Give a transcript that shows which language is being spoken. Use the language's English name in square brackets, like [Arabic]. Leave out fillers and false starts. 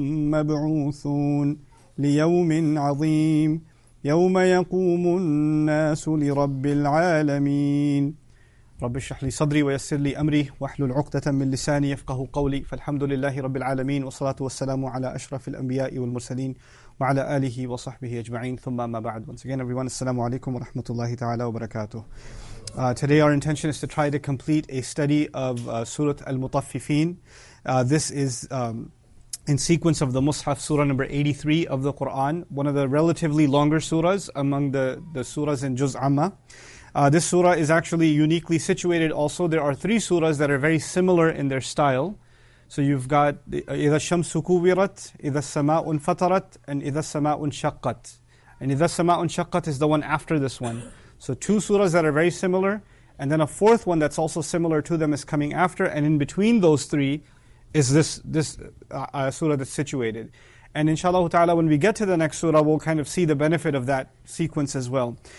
[Arabic] مبعوثون ليوم عظيم يوم يقوم الناس لرب العالمين رب اشرح لي صدري ويسر لي أمري واحلل عقدة من لساني يفقه قولي فالحمد لله رب العالمين والصلاة والسلام على أشرف الأنبياء والمرسلين وعلى آله وصحبه أجمعين ثم ما بعد. [English] Once again everyone, [Arabic] السلام عليكم ورحمة الله تعالى وبركاته. [English] Today our intention is to try to complete a study of Surah Al-Mutaffifin. This is in sequence of the Mus'haf, Surah number 83 of the Qur'an, one of the relatively longer surahs among the surahs in Juz Amma. This surah is actually uniquely situated also. There are three surahs that are very similar in their style. So you've got [Arabic] إِذَا الشَّمْسُ كُوِّرَتْ إِذَا السَّمَاءُ انْفَطَرَتْ and إِذَا السَّمَاءُ انْشَقَّتْ. [English] And [Arabic] إِذَا السَّمَاءُ انْشَقَّتْ [English] is the one after this one. So two surahs that are very similar, and then a fourth one that's also similar to them is coming after, and in between those three is this surah that's situated. And inshallah ta'ala, when we get to the next surah, we'll kind of see the benefit of that sequence as well.